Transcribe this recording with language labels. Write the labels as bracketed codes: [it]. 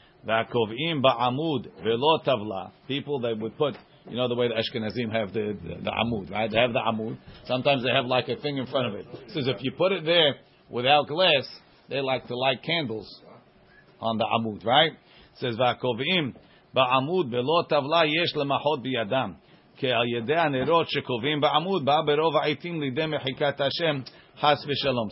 [he] והקובעים בעמוד ולא טבלה. [en] People that would put, you know the way the Ashkenazim have the עמוד, right? They have the עמוד. Sometimes they have like a thing in front of it. It says if you put it there without glass, they like to light candles on the עמוד, right? It says [he] והקובעים בעמוד ולא טבלה יש למחות בידם. כי על ידי הנרות שקובעים בעמוד בא ברוב העיתים לידי מחיקת השם חס ושלום.